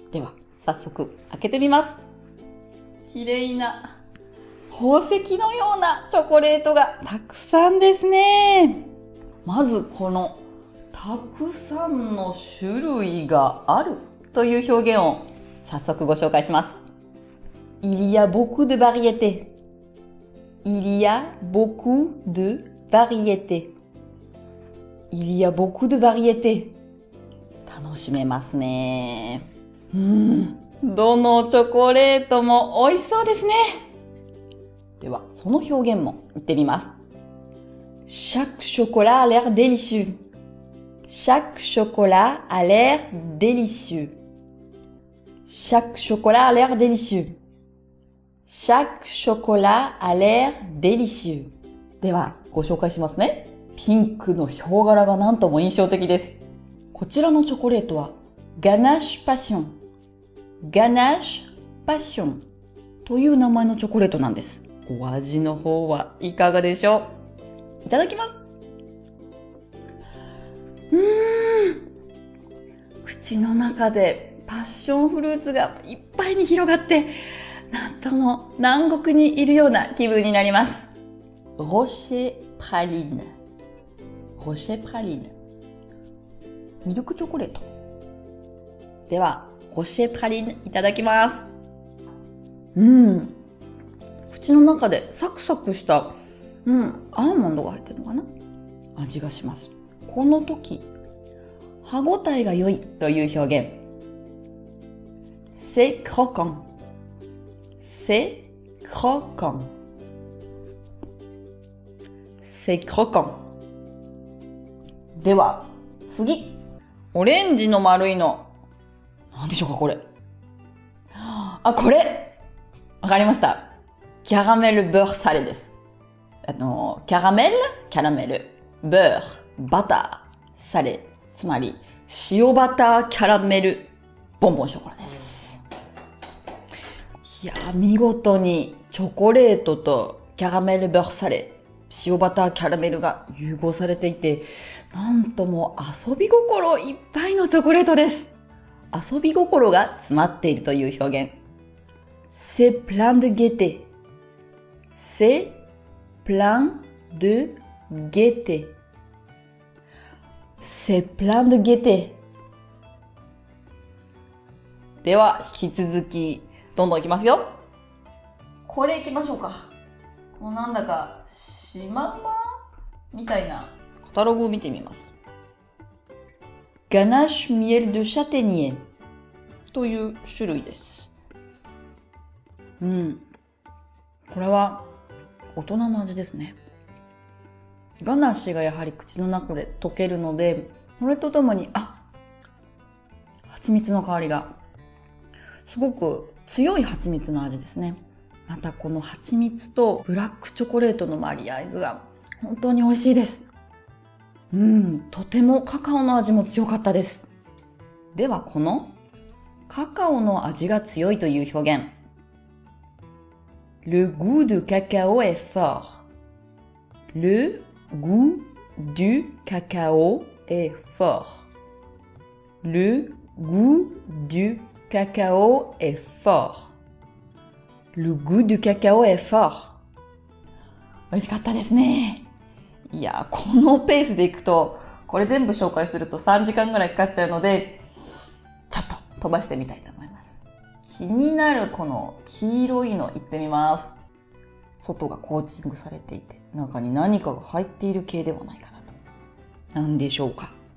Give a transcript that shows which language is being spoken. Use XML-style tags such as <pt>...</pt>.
<ja>では、早速開けてみます。綺麗な宝石のようなチョコレートがたくさんですね。まずこのたくさんの種類があるという表現を早速ご紹介します。</ja> <fr>Il y a beaucoup de variétés。Il y a beaucoup de variétés。 Il y a beaucoup de variétés。</fr> <ja>楽しめますね。どのチョコレートも美味しそうですね。ではその表現も言ってみます。</ja> <fr>Chaque chocolat a l'air délicieux。 Chaque chocolat a l'air délicieux。 Chaque chocolat a l'air délicieux。 Chaque chocolat a l'air délicieux。</fr> <ja>ではご紹介しますね。ピンクのヒョウ柄がなんとも印象的です。こちらのチョコレートは、Ganache Passion。 Ganache Passion という名前のチョコレートなんです。お味の方はいかがでしょう？いただきます。口の中でパッションフルーツがいっぱいに広がって、なんとも南国にいるような気分になります。</ja> <fr>Rocher Praline。Rocher Praline。</fr> <ja>ミルクチョコレート。では、Rocher Praline いただきます。口の中でサクサクした、アーモンドが入ってるのかな？味がします。この時、歯ごたえが良いという表現。</ja> <fr>C'est croquant。C'est croquant。 C'est croquant。</fr> <ja>では、次。オレンジの丸いの。何でしょうか、これ。あ、これ。わかりました。キャラメルブーサレです。キャラメル、キャラメル、ブー、バター、サレ。つまり、塩バターキャラメル、ボンボンショコラです。いや、見事にチョコレートとキャラメルブーサレ、塩バターキャラメルが融合されていて、なんとも遊び心いっぱいのチョコレートです。遊び心が詰まっているという表現。</ja> <fr>C'est plein de gaieté。C'est plein de gaieté。 C'est plein de gaieté。</fr> <ja>では、引き続き、どんどんいきますよ。これいきましょうか。もうなんだか、シマウマみたいな。カタログを見てみます。 Ganache miel de châtaignier という種類です。これは、大人の味ですね。ガナッシュがやはり口の中で溶けるので、それとともに、蜂蜜の香りが、すごく強い蜂蜜の味ですね。またこの蜂蜜とブラックチョコレートのマリアイズが本当に美味しいです。とてもカカオの味も強かったです。ではこの、カカオの味が強いという表現。</ja> <fr>Le goût du cacao est fort. Le goût du cacao est fort. Le goût du cacao est fort. Le goût du cacao est fort.</fr> <ja>美味しかったですね。いや、このペースでいくと、これ全部紹介すると3時間ぐらいかかっちゃうので、ちょっと飛ばしてみたいと思います。気になるこの黄色いの行ってみます。外がコーティングされていて、中に何かが入っている系ではないかなと。何でしょうか。</ja>